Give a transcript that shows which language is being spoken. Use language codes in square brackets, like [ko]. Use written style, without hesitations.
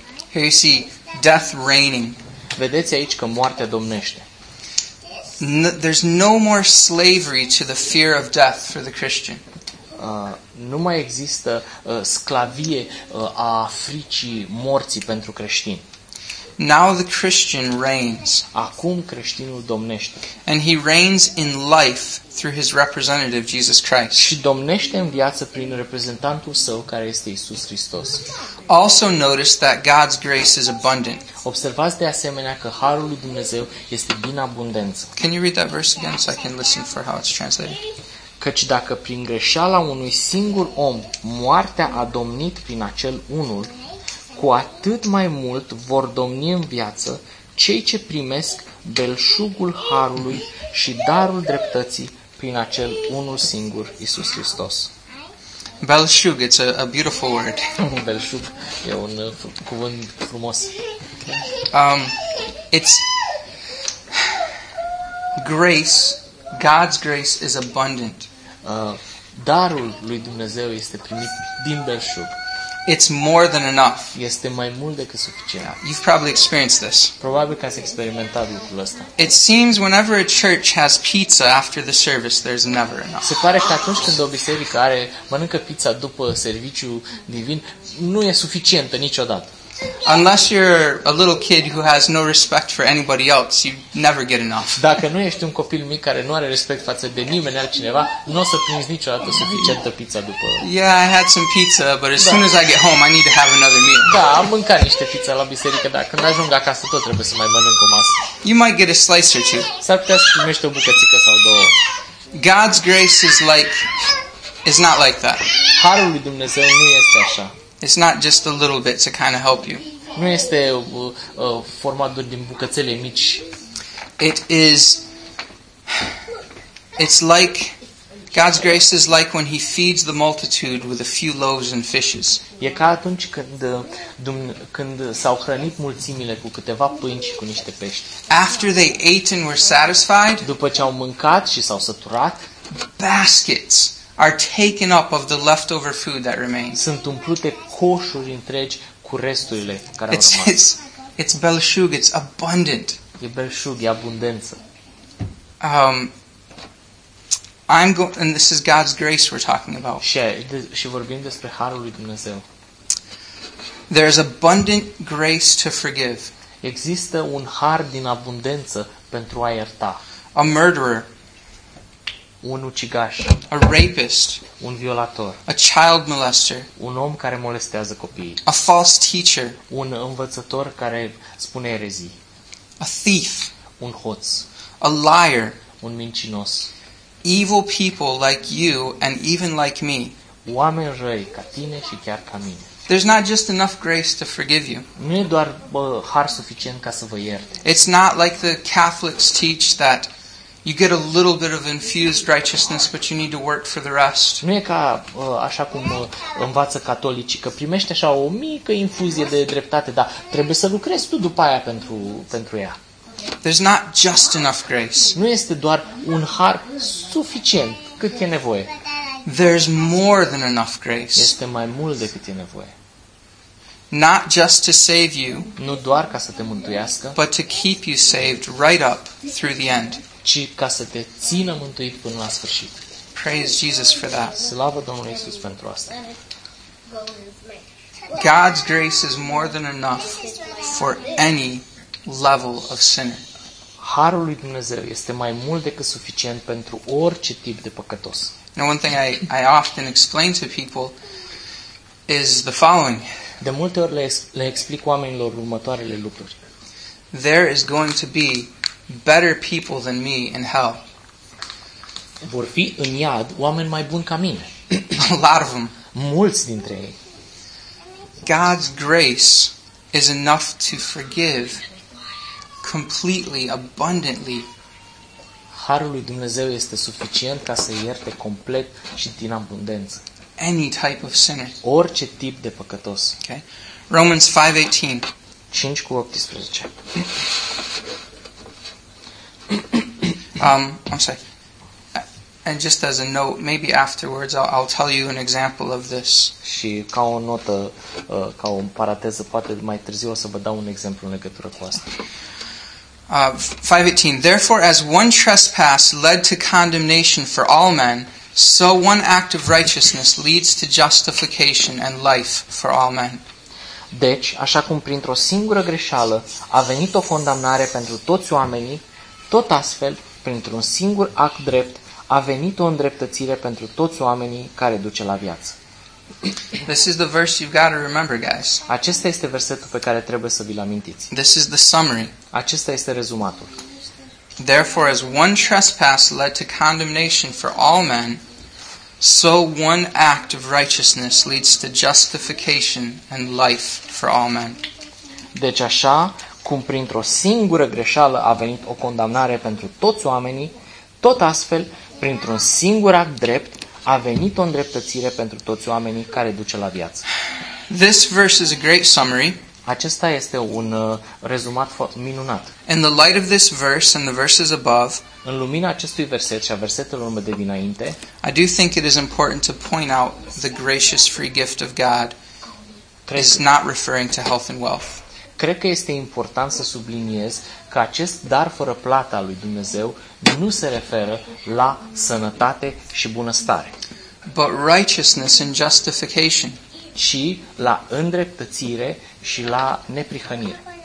[en] Here you see death reigning. [ro] Vedeți aici că moartea domnește. [en] There's no more slavery to the fear of death for the Christian. [ro] Nu mai există sclavie a fricii morții pentru creștin. [en] Now the Christian reigns. [ro] Acum creștinul domnește. [en] And he reigns in life through his representative Jesus Christ. [ro] Și domnește în viață prin reprezentantul său care este Iisus Hristos. [en] Also notice that God's grace is abundant. [ro] Observați de asemenea că harul lui Dumnezeu este din abundență. [en] Can you read that verse again so I can listen for how it's translated? [ro] Căci dacă prin greșeala unui singur om moartea a domnit prin acel unul, cu atât mai mult vor domni în viață cei ce primesc belșugul harului și darul dreptății prin acel unul singur, Iisus Hristos. [en] Belșug, it's a beautiful word. [ro] Belșug e un cuvânt frumos. [en] It's grace. God's grace is abundant. [ro] Darul lui Dumnezeu este primit din belșug. [en] It's more than enough. [ro] Este mai mult decât suficient. [en] You've probably experienced this. [ro] Probabil că ați experimentat lucrul ăsta. [en] It seems whenever a church has pizza after the service, there's never enough. [ro] Se pare că atunci când o biserică are mănâncă pizza după serviciu divin, nu e suficientă niciodată. [en] Unless you're a little kid who has no respect for anybody else, you never get enough. [ro] Dacă nu ești un copil mic care nu are respect față de nimeni altcineva, nu o să primești niciodată suficientă pizza după. [en] Yeah, I had some pizza, but as soon as I get home, I need to have another meal. [ro] Da, am mâncat niște pizza la biserică, dar când ajung acasă tot trebuie să mai mănânc o masă. [en] You might get a slice or two. [ro] S-ar putea să primești o bucățică sau două. [en] God's grace is not like that. [ro] Harul lui Dumnezeu nu este așa. [en] It's not just a little bit to kind of help you. [ro] Nu este format doar din bucățele mici. [en] It's like God's grace is like when he feeds the multitude with a few loaves and fishes. [ro] E ca atunci când s-au hrănit mulțimile cu câteva pâini și cu niște pești. [en] After they ate and were satisfied, [ro] după ce au mâncat și s-au săturat, [en] baskets are taken up of the leftover food that remains. [ro] Sunt umplute coșuri întregi cu resturile care au rămas. [en] It's belșug, it's abundant. [ro] E belșug, e abundență. [en] And this is God's grace we're talking about. [ro] Și vorbim despre harul lui Dumnezeu. [en] There is abundant grace to forgive. [ro] Există un har din abundență pentru a ierta. [en] A murderer. [ro] Un ucigaș, [en] a rapist, [ro] un violator, [en] a child molester, [ro] un om care molestează copiii, [en] a false teacher, [ro] un învățător care spune erezii, [en] a thief, [ro] un hoț, [en] a liar, [ro] un mincinos, [en] evil people like you and even like me, [ro] oameni răi ca tine și chiar ca mine. [en] There's not just enough grace to forgive you. [ro] Nu e doar har suficient ca să vă iert. [en] It's not like the Catholics teach that you get a little bit of infused righteousness, but you need to work for the rest. [ro] Nu e ca așa cum învață catolicii, că primești așa o mică infuzie de dreptate, dar trebuie să lucrezi tu după aia pentru ea. [en] There's not just enough grace. [ro] Nu este doar un har suficient cât e nevoie. [en] There's more than enough grace. [ro] Este mai mult decât e nevoie. [en] Not just to save you, [ro] nu doar ca să te mântuiască, [en] but to keep you saved right up through the end. [ro] Ci ca să te țină mântuit până la sfârșit. [en] Praise Jesus for that. [ro] Slavă Domnului Iisus pentru asta. [en] God's grace is more than enough for any level of sinner. [ro] Harul lui Dumnezeu este mai mult decât suficient pentru orice tip de păcătos. [en] Now one thing I often explain to people is the following. [ro] De multe ori le explic oamenilor următoarele lucruri. [en] There is going to be better people than me in hell. [ro] Vor fi în iad oameni mai buni ca mine. [en] A lot of them. [ro] Mulți dintre ei. [en] God's grace is enough to forgive completely, abundantly. [ro] Harul lui Dumnezeu este suficient ca să ierte complet și din abundență. [en] any type of sinner. [ro] Orice tip de păcătos. [en] Okay. Romans 5:18. [ro] 5:18. [en] I'm sorry. And just as a note, maybe afterwards I'll tell you an example of this. [ro] Și ca o notă, ca o paranteză, poate mai târziu o să vă dau un exemplu în legătură cu asta. [en] 5:18. Therefore, as one trespass led to condemnation for all men, so one act of righteousness leads to justification and life for all men. [ro] Deci, așa cum printr-o singură greșeală a venit o condamnare pentru toți oamenii, tot astfel, printr-un singur act drept, a venit o îndreptățire pentru toți oamenii care duce la viață. [en] This is the verse you've got to remember, guys. [ro] Acesta este versetul pe care trebuie să vi-l amintiți. [en] This is the summary. [ro] Acesta este rezumatul. [en] Therefore, as one trespass led to condemnation for all men, so one act of righteousness leads to justification and life for all men. [ro] Deci așa, cum printr-o singură greșeală a venit o condamnare pentru toți oamenii, tot astfel, printr-un singur act drept, a venit o îndreptățire pentru toți oamenii care duce la viață. [en] This verse is a great summary. [ro] Acesta este un rezumat minunat. [en] In the light of this verse and the verses above, [ro] în lumina acestui verset și a versetelor de dinainte, [en] I do think it is important to point out the gracious free gift of God is not referring to health and wealth. [ro] Cred că este important să subliniez că acest dar fără plată al lui Dumnezeu nu se referă la sănătate și bunăstare. [en] But righteousness and justification. [ro] Ci la îndreptățire și la neprihănire.